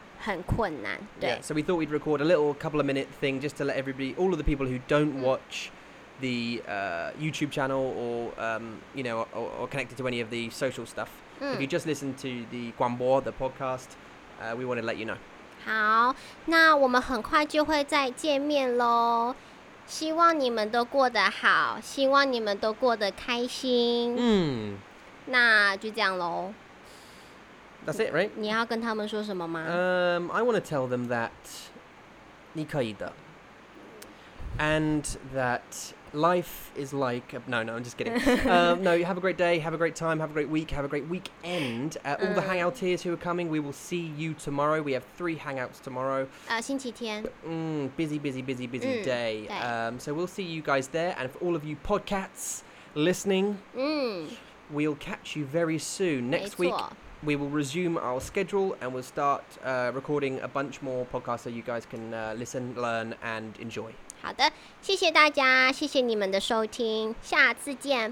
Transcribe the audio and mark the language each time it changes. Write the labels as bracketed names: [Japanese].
[Chinese] 很困难。对。 [English] Yeah, so we thought we'd record a little couple of minute thing just to let everybody, all of the people who don't watch. The YouTube channel, or you know, or connected to any of the social stuff. If you just listen to the 广播, the podcast, we want to let you know. [Chinese] 好，那我们很快就会再见面喽。希望你们都过得好，希望你们都过得开心。那就这样喽。 [English] That's it, right? [Chinese] 你要跟他们说什么吗？ [English] I want to tell them that [Chinese] 你可以的。 [English] And that life is like... No, I'm just kidding. No, have a great day, have a great time, have a great week, have a great weekend. All the hangouteers who are coming, we will see you tomorrow. We have 3 hangouts tomorrow. [Chinese] 星期天。 [English] Busy day. So we'll see you guys there. And for all of you podcats listening, we'll catch you very soon. Next week, we will resume our schedule and we'll start recording a bunch more podcasts so you guys can listen, learn and enjoy. [Chinese] 好的，谢谢大家，谢谢你们的收听，下次见，